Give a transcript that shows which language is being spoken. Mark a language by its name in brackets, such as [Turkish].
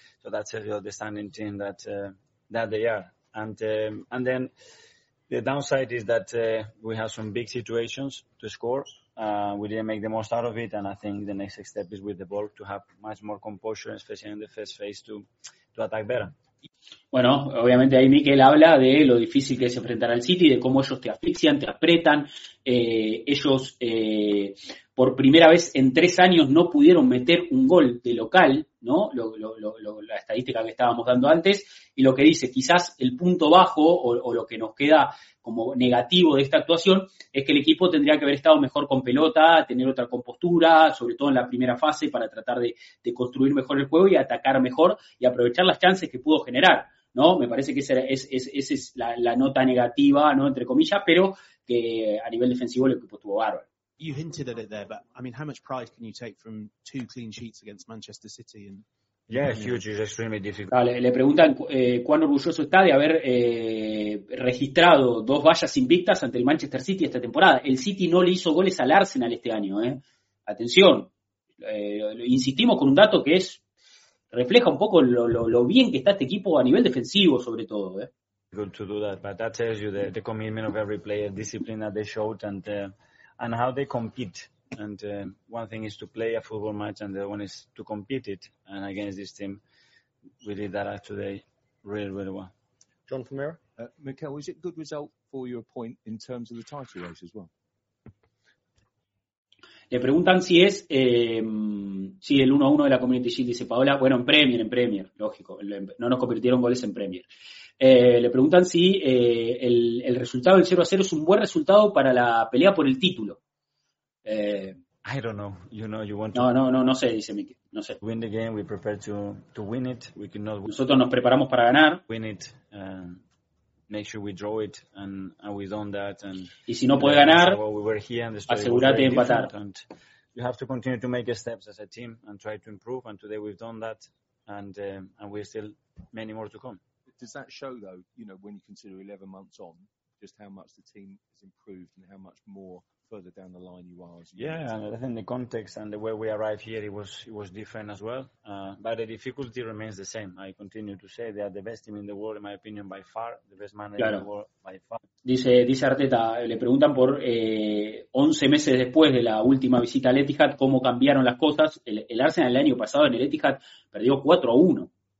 [English] So that's a real outstanding team that they are. And then the downside is that we have some big situations to score. We didn't make the most out of it, and I think the next step is with the ball to have much more composure, especially in the first phase, to attack better. [Spanish] Bueno, obviamente ahí Mikel habla de lo difícil que es enfrentar al City, de cómo ellos te asfixian, te apretan. Ellos, por primera vez en 3 años, no pudieron meter un gol de local, ¿no? La estadística que estábamos dando antes. Y lo que dice, quizás el punto bajo o lo que nos queda como negativo de esta actuación es que el equipo tendría que haber estado mejor con pelota, tener otra compostura, sobre todo en la primera fase, para tratar de construir mejor el juego y atacar mejor y aprovechar las chances que pudo generar, ¿no? Me parece que esa es la nota negativa, ¿no? Entre comillas, pero que a nivel defensivo el equipo estuvo bárbaro. [English] You hinted at it there, but I mean, how much pride can you take from 2 clean sheets against Manchester City? Yeah, huge. It's extremely difficult. [Spanish] Le preguntan cuán orgulloso está de haber registrado 2 vallas invictas ante el Manchester City esta temporada. El City no le hizo goles al Arsenal este año, ¿eh? Atención. Insistimos con un dato que es refleja un poco lo bien que está este equipo a nivel defensivo, sobre todo, ¿eh? [English] Good to do that, but that tells you the commitment of every player, discipline that they showed, and how they compete. And one thing is to play a football match, and the other one is to compete it. And against this team, we did that today really, really well. John Fumero? Mikel, is it a good result for your point in terms of the title race as well? [Spanish] Le preguntan si es si el 1-1 de la Community Shield, dice Paola. Bueno, en Premier, lógico. No nos convirtieron goles en Premier. Le preguntan si el resultado del 0-0 es un buen resultado para la pelea por el título. [English] I don't know. You know, you want to... [Spanish] No sé, dice Mike. No sé. [English] Win the game, we prepare to win it. We cannot win. [Spanish] Nosotros nos preparamos para ganar. [English] Win it. Make sure we draw it and we done that. And [Spanish] y si no puede ganar, asegúrate de empatar. [English] you have to continue to make steps as a team and try to improve. And today we've done that, and we're still many more to come. Does that show, though, you know, when you consider 11 months on, just how much the team has improved and how much more further down the line you are? Yeah, I think the context and the way we arrived here, it was different as well. But the difficulty remains the same. I continue to say they are the best team in the world, in my opinion, by far. The best manager [Spanish] claro. [English] In the world, by far. [Spanish] Dice Arteta, le preguntan por 11 meses después de la última visita al Etihad, cómo cambiaron las cosas. El Arsenal el año pasado en el Etihad perdió 4-1.